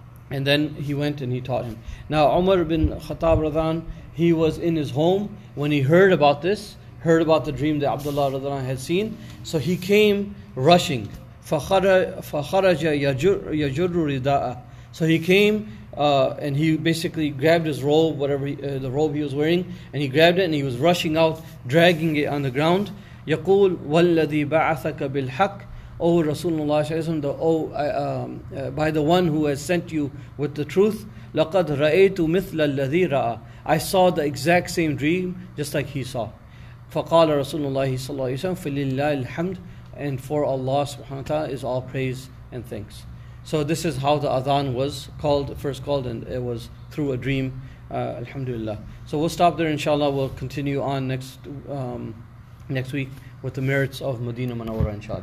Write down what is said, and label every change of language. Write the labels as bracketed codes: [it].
[en] And then he went and he taught him. Now Umar ibn Khattab Radhan, he was in his home when he heard about this, heard about the dream that Abdullah Radhan had seen. So he came rushing. [ar] فَخَرَجَ يَجُرُّ رِدَاءَ. [en] So he came and he basically grabbed his robe, whatever the robe he was wearing, and he grabbed it and he was rushing out, dragging it on the ground. [ar] يقول والذي بعثك بالحق أو رسول الله صلى الله عليه وسلم, [en] by the one who has sent you with the truth, [ar] لقد رأيت مثل الذي رأى. [en] I saw the exact same dream just like he saw. [ar] فقال رسول الله صلى الله عليه وسلم فلله الحمد. [en] And for Allah subhanahu wa ta'ala is all praise and thanks. So this is how the adhan was first called, and it was through a dream, alhamdulillah. So we'll stop there, inshallah. We'll continue on next week with the merits of Medina Munawwara, inshallah.